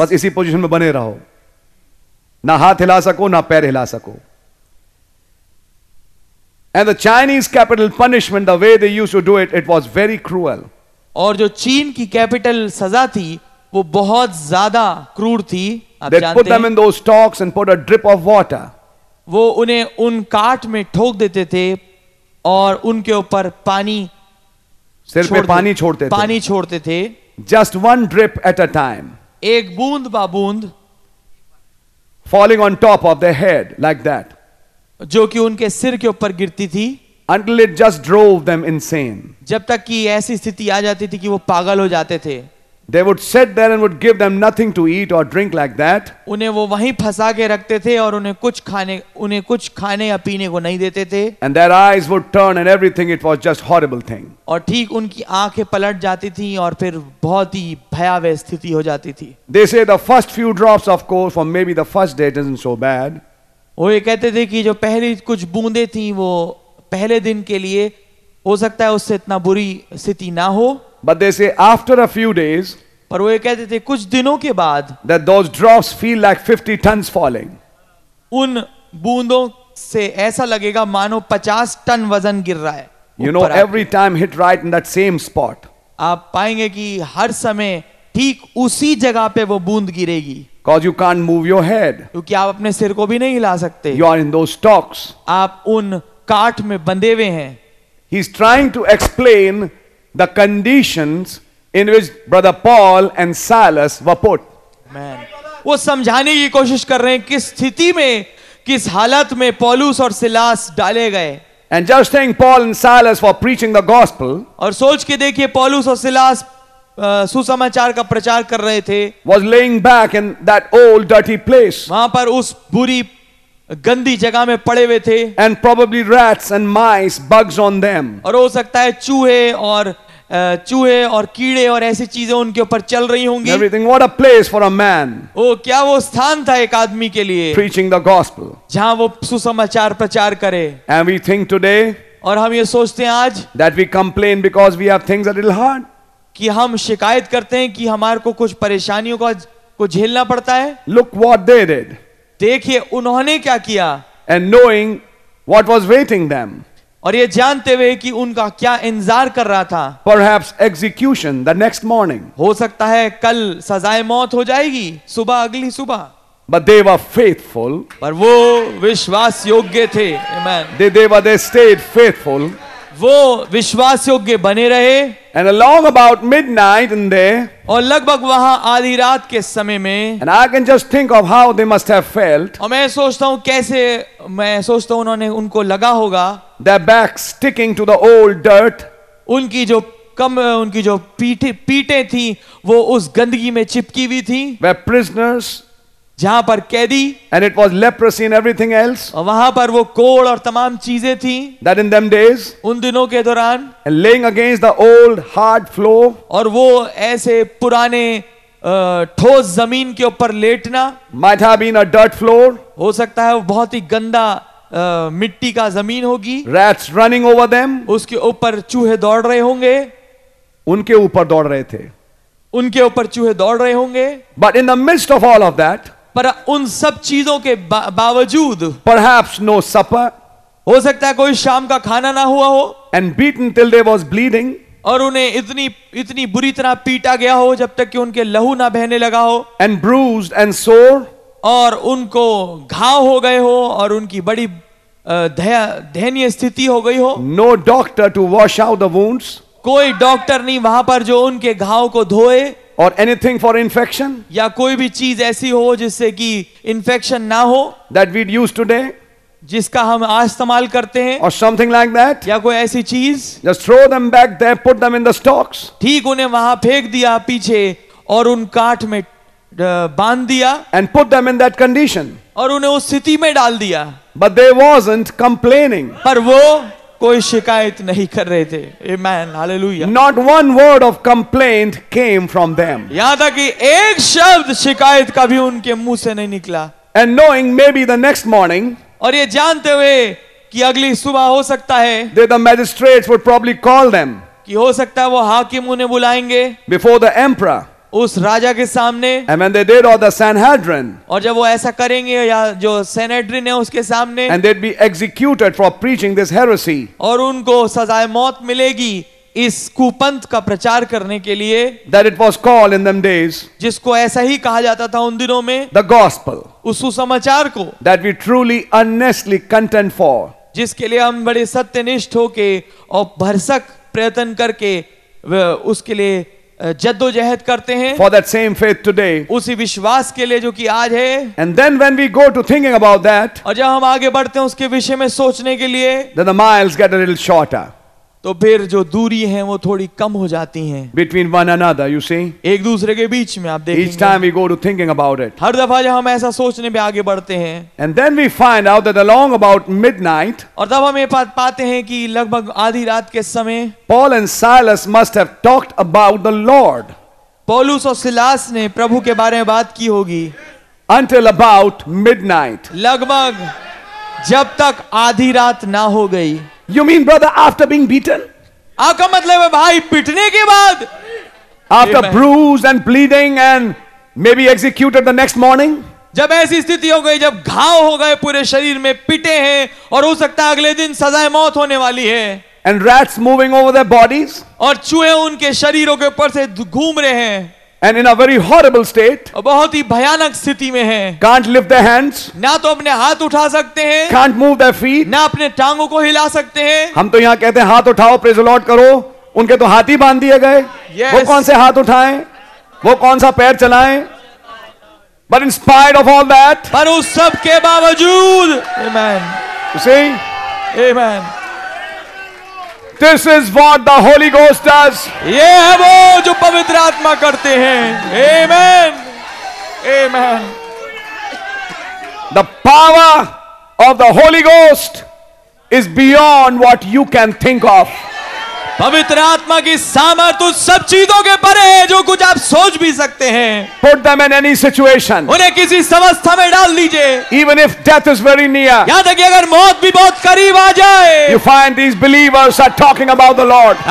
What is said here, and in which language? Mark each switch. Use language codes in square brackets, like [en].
[hi] बस इसी पोजीशन में बने रहो, ना हाथ हिला सको ना पैर हिला सको। [en] And the Chinese capital punishment the way they used to do it, it was very cruel. [hi] और जो चीन की कैपिटल सजा थी वो बहुत ज्यादा क्रूर थी। [en] They put them in those stocks and put a drip of water. [hi] वो उन्हें उन काट में ठोक देते थे और उनके ऊपर पानी, सिर पे पानी छोड़ते थे, पानी छोड़ते थे। [en] Just one drip at a time. [hi] एक बूंद बा बूंद, [en] falling on top of their head like that. [hi] जो कि उनके सिर के ऊपर गिरती थी। [en] Until it just drove them insane. [hi] जब तक कि ऐसी स्थिति आ जाती थी कि वो पागल हो जाते थे। [en] They would sit there and would give them nothing to eat or drink like that. [hi] उन्हें वो वहीं फंसा के रखते थे और उन्हें कुछ खाने या पीने को नहीं देते थे। [en] And their eyes would turn and everything, it was just horrible thing. [hi] और ठीक उनकी आंखें पलट जाती थीं और फिर बहुत ही भयावह स्थिति हो जाती थी। [en] They say the first few drops of course for maybe the first day isn't so bad. [hi] वो ये कहते थे कि जो पहली कुछ बूंदें थीं वो पहले दिन के लिए हो सकता है उससे इतना बुरी स्थिति ना हो। [en] But they say after a few days, [hi] पर वो ये कहते थे कुछ दिनों के बाद, [en] that those drops feel like 50 tons falling. [hi] उन बूंदों से ऐसा लगेगा मानो 50 टन वजन गिर रहा है। [en] You know, every time hit right in that same spot. [hi] आप पाएंगे कि हर समय ठीक उसी जगह पे वो बूंद गिरेगी। [en] Cause you can't move your head. [hi] क्योंकि आप अपने सिर को भी नहीं हिला सकते। [en] You are in those stocks. [hi] आप उन काट में बंधे हुए हैं। [en] He's trying to explain the conditions in which brother Paul and Silas were put. Man, [hi] वो समझाने की कोशिश कर रहे हैं किस स्थिति में, किस हालत में पौलुस और सिलास डाले गए। [en] And just think, Paul and Silas for preaching the gospel. [hi] और सोच के देखिए पौलुस और सिलास सुसमाचार का प्रचार कर रहे थे। [en] Was laying back in that old dirty place. [hi] वहाँ पर उस बुरी गंदी जगह में पड़े हुए थे। [en] And probably rats and mice, bugs on them. [hi] और हो सकता है चूहे और कीड़े और ऐसी चीजें उनके ऊपर चल रही होंगी। [en] Everything. What a place for a man. [hi] ओ, क्या वो स्थान था एक आदमी के लिए। [en] Preaching the gospel. [hi] जहां वो सुसमाचार प्रचार करे। [en] And we think today. [hi] और हम ये सोचते हैं आज। [en] That we complain because we have things a little hard. [hi] कि हम शिकायत करते हैं कि हमारे को कुछ परेशानियों को झेलना पड़ता है। [en] Look what they did. [hi] देखिए उन्होंने क्या किया। [en] And knowing what was waiting them. [hi] और ये जानते हुए कि उनका क्या इंतजार कर रहा था। [en] Perhaps execution the next morning. [hi] हो सकता है कल सजाए मौत हो जाएगी सुबह, अगली सुबह। [en] But they were faithful. [hi] पर वो विश्वास योग्य थे. Amen. [en] They stayed faithful. [hi] वो विश्वास योग्य बने रहे. [en] And along about midnight in there. [hi] और लगभग वहाँ आधी रात के समय में. [en] And I can just think of how they must have felt. [hi] और मैं सोचता हूँ कैसे मैं सोचता हूँ उन्होंने उनको लगा होगा. [en] Their backs sticking to the old dirt. [hi] उनकी जो कम उनकी जो पीठे थी वो उस गंदगी में चिपकी हुई थी. [en] Where prisoners. [hi] जहां पर कैदी. [en] And it was leprosy and everything else. [hi] और वहां पर वो कोढ़ और तमाम चीजें थीं. [en] That in them days. [hi] उन दिनों के दौरान. [en] And laying against the old hard floor. [hi] और वो ऐसे पुराने ठोस जमीन के ऊपर लेटना. [en] Might have been a dirt floor. [hi] हो सकता है वो बहुत ही गंदा मिट्टी का जमीन होगी. [en] Rats running over them. [hi] उसके ऊपर चूहे दौड़ रहे होंगे. उनके ऊपर दौड़ रहे थे. उनके ऊपर चूहे दौड़ रहे होंगे. [en] But in the midst of all of that. [hi] पर उन सब चीजों के बावजूद. [en] Perhaps no supper. [hi] हो सकता है कोई शाम का खाना ना हुआ हो. [en] And beaten till they was bleeding. [hi] और उन्हें इतनी बुरी तरह पीटा गया हो जब तक कि उनके लहू ना बहने लगा हो. [en] And bruised and sore. [hi] और उनको घाव हो गए हो और उनकी बड़ी दयनीय स्थिति हो गई हो. [en] No doctor to wash out the wounds. [hi] कोई डॉक्टर नहीं वहां पर जो उनके घाव को धोए. [en] Or anything for infection? [hi] या कोई भी चीज ऐसी हो जिससे कि infection ना हो. [en] That we'd use today? [hi] जिसका हम आज इस्तेमाल करते हैं. [en] Or something like that? [hi] या कोई ऐसी चीज. [en] Just throw them back there, put them in the stocks. [hi] ठीक उन्हें वहाँ फेंक दिया पीछे और उन काठ में बांध दिया. [en] And put them in that condition. [hi] और उन्हें उस स्थिति में डाल दिया. [en] But they wasn't complaining. [hi] पर वो कोई शिकायत नहीं कर रहे थे. [en] Amen. Hallelujah. Not one word of complaint came from them. [hi] यहां तक कि एक शब्द शिकायत का भी उनके मुंह से नहीं निकला. [en] And knowing maybe the next morning. [hi] और ये जानते हुए कि अगली सुबह हो सकता है. [en] They, the magistrates would probably call them. [hi] कि हो सकता है वो हाकिम उन्हें बुलाएंगे. [en] Before the emperor. [hi] उस राजा के सामने. [en] And when they did, or the Sanhedrin. [hi] और जब वो ऐसा करेंगे या जो Sanhedrin है उसके सामने. [en] And they'd be executed for preaching this heresy. [hi] और उनको सजाए मौत मिलेगी इस कुपंथ का प्रचार करने के लिए. [en] That it was called in them days. [hi] जिसको ऐसा ही कहा जाता था उन दिनों में. [en] The gospel. [hi] उस सुसमाचार को. [en] That we truly earnestly contend for. [hi] जिसके लिए हम बड़े सत्यनिष्ठ होके और भरसक प्रयत्न करके उसके लिए जद्दोजहद करते हैं. [en] For that same faith today. [hi] उसी विश्वास के लिए जो कि आज है. [en] And then when we go to thinking about that. [hi] और जब हम आगे बढ़ते हैं उसके विषय में सोचने के लिए. [en] Then the miles get a little shorter. [hi] तो फिर जो दूरी है वो थोड़ी कम हो जाती है. [en] Between one another, you see. [hi] एक दूसरे के बीच में आप देखेंगे. [en] Each time we go to thinking about it. [hi] हर दफा जब हम ऐसा सोचने में आगे बढ़ते हैं. [en] And then we find out that along about midnight. [hi] और तब हम ये पाते हैं कि लगभग आधी रात के समय. [en] Paul and Silas must have talked about the Lord. [hi] पौलुस और सिलास ने प्रभु के बारे में बात की होगी. [en] Until about midnight. [hi] लगभग जब तक आधी रात ना हो गई. [en] You mean, brother, after being beaten? [hi] आपका मतलब है भाई पिटने के बाद. [en] After bruised and bleeding and maybe executed the next morning? [hi] जब ऐसी स्थिति हो गई जब घाव हो गए पूरे शरीर में पिटे हैं और हो सकता है अगले दिन सजाए मौत होने वाली है. [en] And rats moving over their bodies? [hi] और चूहे उनके शरीरों के ऊपर से घूम रहे हैं. [en] And in a very horrible state. [hi] बहुत ही भयानक स्थिति में है. [en] Can't lift their hands. [hi] ना तो अपने हाथ उठा सकते हैं. [en] Can't move their feet. [hi] ना अपने टांगों को हिला सकते हैं. हम तो यहाँ कहते हैं हाथ उठाओ [en] praise the lord [hi] करो. उनके तो हाथ ही बांध दिए गए. [en] Yes. [hi] वो कौन से हाथ उठाएं? वो कौन सा पैर चलाएं? [en] But in spite of all that. [hi] पर उस सब के बावजूद. Amen. [en] You see? Amen. This is what the Holy Ghost does. [hi] ये है वो जो पवित्र आत्मा करते हैं. [en] Amen. Amen. The power of the Holy Ghost is beyond what you can think of. [hi] पवित्र आत्मा की सामर्थ्य उस सब चीजों के परे है जो कुछ आप सोच भी सकते हैं. [en] Put them in any situation. [hi] उन्हें किसी अवस्था में डाल दीजिए. [en] Even if death is very near. [hi] यहां तक कि अगर मौत भी बहुत करीब आ जाए. [en] You find these believers are talking about the Lord.